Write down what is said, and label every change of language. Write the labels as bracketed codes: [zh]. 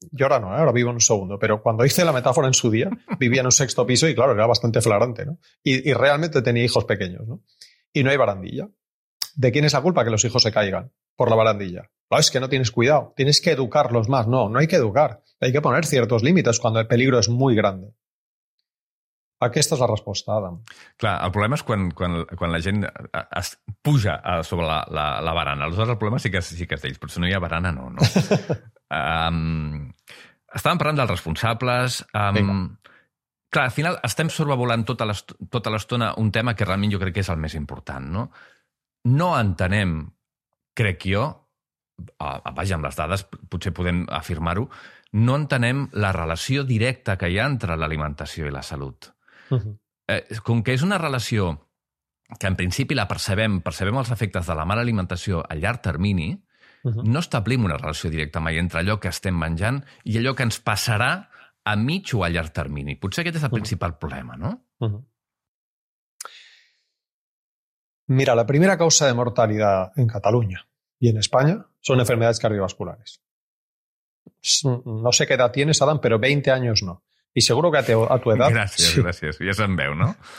[es] Yo ahora no, ahora vivo en un segundo. Pero cuando hice la metáfora en su día, vivía en un sexto piso y claro, era bastante flagrante, ¿no? Y realmente tenía hijos pequeños, ¿no? Y no hay barandilla. ¿De quién es la culpa que los hijos se caigan por la barandilla? No, es que no tienes cuidado. Tienes que educarlos más. No, no hay que educar. Hay que poner ciertos límites cuando el peligro es muy grande. [ca] Aquesta és la resposta, Adam. Clar, el problema és quan la gent es puja sobre la barana. Aleshores, el problema sí que és d'ells, però si no hi ha barana, no. No. Estàvem parlant dels responsables. Clar, al final estem sobrevolant tota l'estona un tema que realment jo crec que és el més important. No, no entenem, crec jo, vaja, amb les dades potser podem afirmar-ho, no entenem la relació directa que hi ha entre l'alimentació i la salut. Uh-huh. Com que és una relació que en principi la percebem els efectes de la mala alimentació a llarg termini, uh-huh, no establim una relació directa mai entre allò que estem menjant i allò que ens passarà a mig o a llarg termini. Potser aquest és el principal problema, no? Uh-huh. [es] Mira, la primera causa de mortalidad en Cataluña y en España son enfermedades cardiovasculares. No sé qué edad tienes, Adam, pero 20 años no. Y seguro que a tu edad... Gracias. Ya se'n veu, ¿no?